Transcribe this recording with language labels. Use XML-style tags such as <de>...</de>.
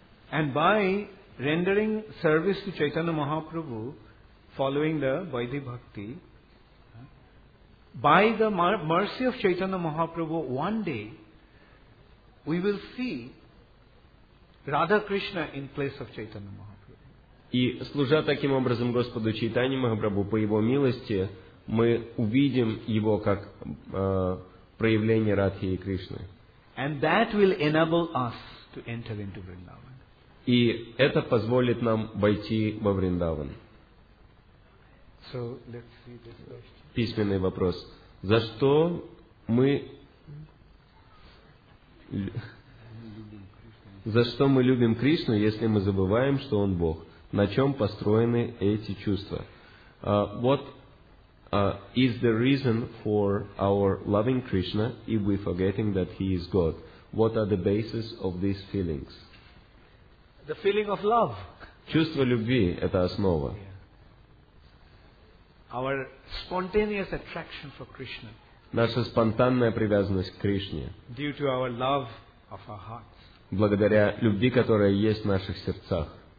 <en>And by rendering service to Chaitanya Mahaprabhu following the Vaidhi Bhakti, by the mercy of Chaitanya Mahaprabhu one day, we will see Radha Krishna in place of Chaitanya Mahaprabhu.</en> <ru>И служа таким образом Господу Чайтанья Махапрабху по Его милости, мы увидим Его как проявление Радхи и Кришны.</ru> <en>And that will enable us to enter into Vrindavan.</en> <ru>И это позволит нам войти во Вриндаван.</ru> <en>So let's see this question.</en> <ru>Письменный вопрос. За что мы За что мы любим Кришну, если мы забываем, что Он Бог? На чем построены эти чувства?</ru> <en>What is the reason for our loving Krishna if we forgetting that He is God? What are the basis of these feelings? The feeling of love.</en> <ru>Чувство любви – это основа.</ru> <en>Our spontaneous attraction for Krishna.</en> <ru>Наша спонтанная привязанность к Кришне.</ru> <en>Due to our love of our hearts.</en> <ru>Благодаря любви, которая есть в наших сердцах.</ru>